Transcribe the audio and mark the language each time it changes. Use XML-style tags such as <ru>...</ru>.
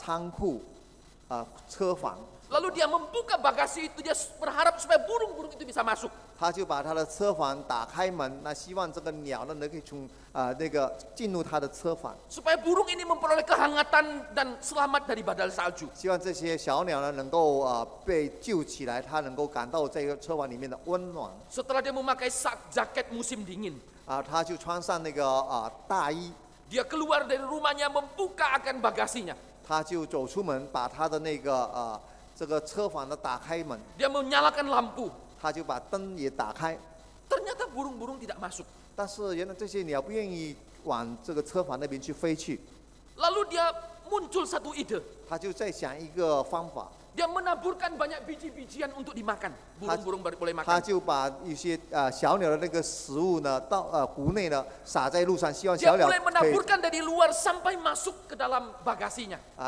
<zh>然后他就想到他家的旁边有一个很大的这个仓库，车房。</zh> <id>Lalu dia membuka bagasi itu, dia berharap supaya burung-burung itu bisa masuk.</id> <zh>他就把他的车房打开门，那希望这个鸟呢能够从那个进入他的车房。</zh> <id>Supaya burung ini memperoleh kehangatan dan selamat dari badai salju.</id> <zh>希望这些小鸟呢能够被救起来，它能够感到这个车房里面的温暖。</zh> <id>Setelah dia memakai jaket musim dingin.</id> <zh>他就穿上那个大衣。</zh> <id>Dia keluar dari rumahnya membuka akan bagasinya.</id> <zh>他就走出门，把他的那个这个车房的打开门。</zh> <id>Dia menyalakan lampu.</id> <zh>他就把灯也打开。</zh> <id>Ternyata burung-burung tidak masuk.</id> <zh>但是原来这些鸟不愿意往这个车房那边去飞去。</zh> <id>Lalu dia muncul satu ide.</id> <zh>他就在想一个方法。</zh> <id>Dia menaburkan banyak biji-bijian untuk dimakan. Burung-burung boleh makan.</id> <zh>他就把一些小鸟的那个食物呢，到谷内呢，撒在路上，希望小鸟可以。</zh> <id>Dia mulai menaburkan dari luar sampai masuk ke dalam bagasinya.</id>